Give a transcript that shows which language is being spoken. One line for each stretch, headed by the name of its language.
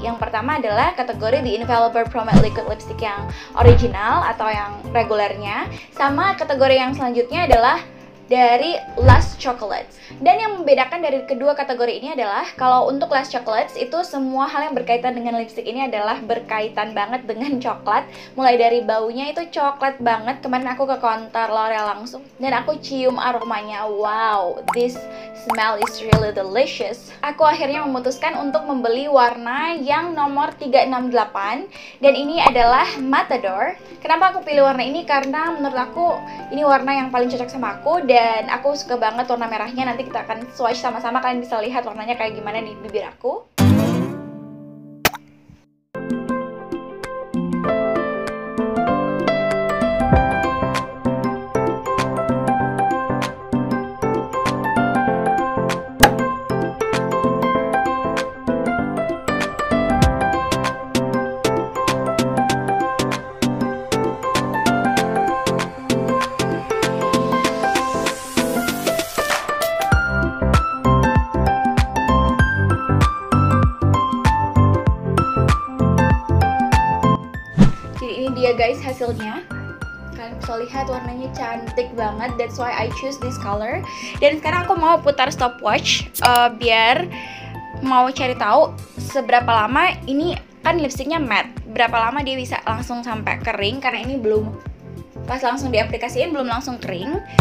Indonesian: Yang pertama adalah kategori The Invaluable Pro Matte Liquid Lipstick yang original atau yang regulernya, sama kategori yang selanjutnya adalah dari Lust Chocolate. Dan yang membedakan dari kedua kategori ini adalah kalau untuk Lust Chocolate itu semua hal yang berkaitan dengan lipstick ini adalah berkaitan banget dengan coklat. Mulai dari baunya itu coklat banget. Kemarin aku ke counter L'Oreal langsung dan aku cium aromanya.
English: Wow, this smell is really delicious.
Indonesian: Aku akhirnya memutuskan untuk membeli warna yang nomor 368 dan ini adalah Matador. Kenapa aku pilih warna ini? Karena menurut aku ini warna yang paling cocok sama aku dan aku suka banget warna merahnya. Nanti kita akan swatch sama-sama, kalian bisa lihat warnanya kayak gimana di bibir aku. Guys, hasilnya kalian bisa lihat warnanya cantik banget.
English: That's why I choose this color.
Indonesian: Dan sekarang aku mau putar stopwatch biar mau cari tahu seberapa lama ini, kan lipsticknya matte, berapa lama dia bisa langsung sampai kering, karena ini belum pas langsung diaplikasiin belum langsung kering.